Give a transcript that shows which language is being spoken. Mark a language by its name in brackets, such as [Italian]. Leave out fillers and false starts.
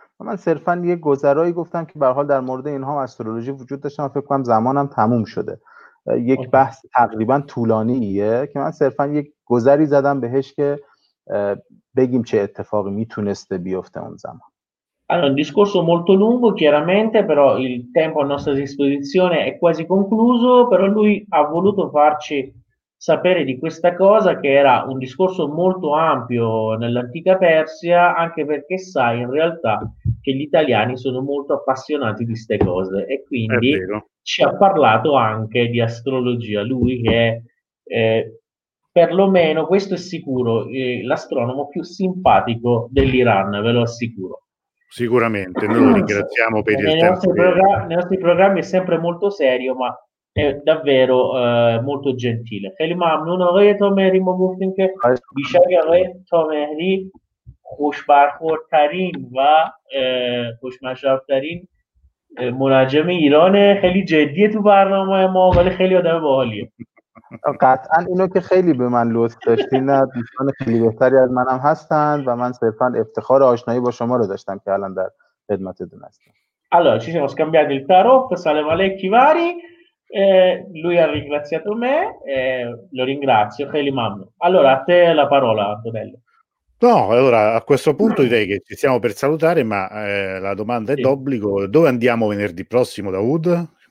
[Persian] من صرفا یه گذرایی گفتم که به هر حال در مورد اینها استرولوژی وجود داشت. من فکر کنم زمانم تموم شده. یک بحث تقریبا طولانیه که من صرفا یک گذری زدم بهش که بگیم چه اتفاقی میتونسته بیفته اون زمان. [Italian] Allora, un discorso molto lungo, chiaramente, però il tempo a nostra disposizione è quasi concluso, però lui ha voluto farci sapere di questa cosa, che era un discorso molto ampio nell'antica Persia, anche perché sai, in realtà, che gli italiani sono molto appassionati di ste cose, e quindi ci ha parlato anche di astrologia. Lui che è, perlomeno, questo è sicuro, l'astronomo più simpatico dell'Iran, ve lo assicuro. Sicuramente, noi lo ringraziamo per il tempo. Nei nostri programmi è sempre molto serio, ma è davvero molto gentile. Felimam, non avrei tomeri, ma finché diciamo avrei tomeri, Kushbarkur Karin va, Kushmashav Karin, Munajemi Irone, Heli Jeddi, e tu parla, ma è mobile, Heli Oda Volio. [Persian] قطعا اینو که خیلی به من لطف داشتین، دوستان خیلی بهتری از منم هستن و من صرفا افتخار آشنایی با شما رو داشتم که الان در خدمتتون هستم. [Italian] Allora, ci siamo scambiati il tarot, salve Alecchi Vari, lui ha ringraziato me, lo ringrazio, [Persian] خیلی ممنون. [Italian] Allora, a te la parola, Antonello. No, allora a questo punto direi che ci siamo per salutare, ma la domanda è d'obbligo: dove andiamo venerdì prossimo da Wood?